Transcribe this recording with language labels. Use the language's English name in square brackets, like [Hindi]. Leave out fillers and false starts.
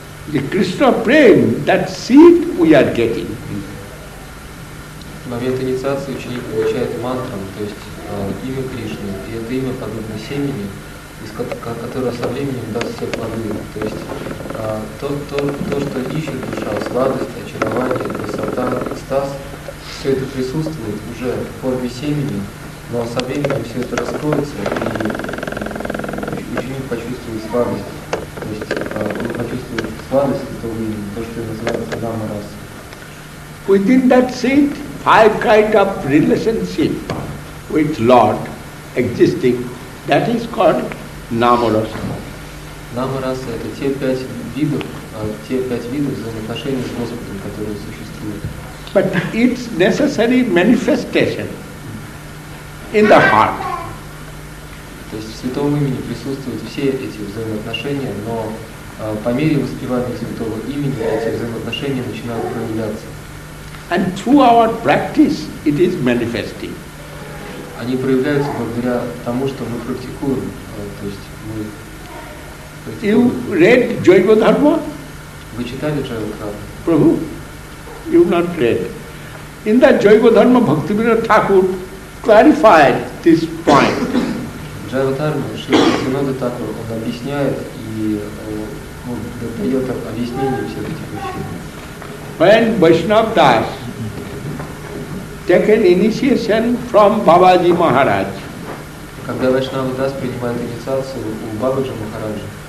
[English] The Krishna prem, that seed we are getting. [Russian] В момент инициации ученик получает мантру, то есть имя Кришны, и это имя подобно семени, которое со временем даст все плоды. То есть то, что ищет душа, сладость, очарование, красота, экстаз, все это присутствует уже в форме семени, но со временем все это раскроется, и ученик почувствует сладость. То есть он почувствует сладость в то время, то, что называется нама раса. [English] Within that seed, five kind of relationship with Lord existing, that is called [Russian] Нама раса это те пять видов взаимоотношений с Господом, которые существуют. [English] But it's necessary manifestation in the heart. [Russian] То есть в святом имени присутствуют все эти взаимоотношения, но по мере воспевания святого имени эти взаимоотношения начинают проявляться. [English] And through our practice it is manifesting. [Russian] Они проявляются благодаря тому, что мы практикуем. То есть мы. [English] You read Jaiva Dharma? [Russian] Вы читали Jaiva Dharma? [English] Prabhu, you not read. In that Jaiva Dharma, Bhaktivinoda Thakur clarified this point. [Russian] Jaiva Dharma, Шрила Бхактивинода Тхакур, он объясняет и дает объяснение всех этих вещей. [English] When Vaishnava Das take an initiation from Babaji Maharaj. [Russian] Когда Вайшнава дас принимает инициацию у Бабаджи Махараджа.